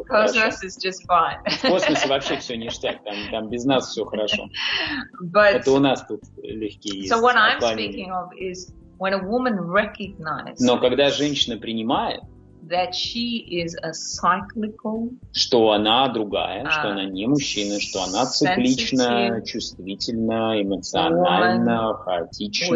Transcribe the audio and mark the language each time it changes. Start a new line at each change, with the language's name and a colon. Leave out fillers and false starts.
English: Cosmos
Russian: хорошо.
English: Is just fine.
Russian: В космосе вообще все ништяк, там без нас все хорошо.
English: But,
Russian: это у нас тут легкие есть.
English: So what I'm speaking of is when a woman recognizes,
Russian: но когда женщина принимает,
English: that she is a cyclical,
Russian: что она другая, что она не мужчина, что она циклична, чувствительна, эмоционально, хаотична,